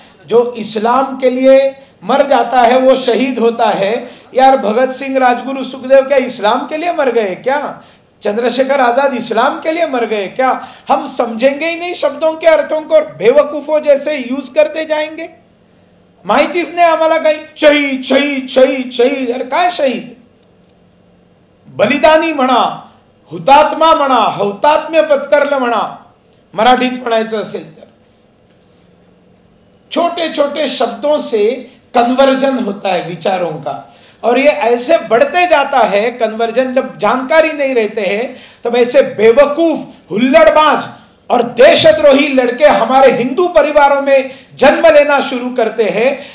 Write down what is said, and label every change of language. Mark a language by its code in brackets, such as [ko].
[hi] जो इस्लाम के लिए मर जाता है वो शहीद होता है। यार भगत सिंह, राजगुरु, सुखदेव क्या इस्लाम के लिए मर गए क्या? चंद्रशेखर आजाद इस्लाम के लिए मर गए क्या? हम समझेंगे ही नहीं शब्दों के अर्थों को और बेवकूफों जैसे यूज करते जाएंगे। [mr] माहिती इसने आम्हाला काही शहीद शहीद शहीद शहीद, अरे काय शहीद? बलिदानी म्हणा, हुतात्मा म्हणा, हौतात्म्य पत्करलं म्हणा, मराठीत म्हणायचं असेल तर। [hi] छोटे छोटे शब्दों से कन्वर्जन होता है विचारों का, और ये ऐसे बढ़ते जाता है कन्वर्जन। जब जानकारी नहीं रहते हैं तब ऐसे बेवकूफ हुल्लड़बाज और देशद्रोही लड़के हमारे हिंदू परिवारों में जन्म लेना शुरू करते हैं।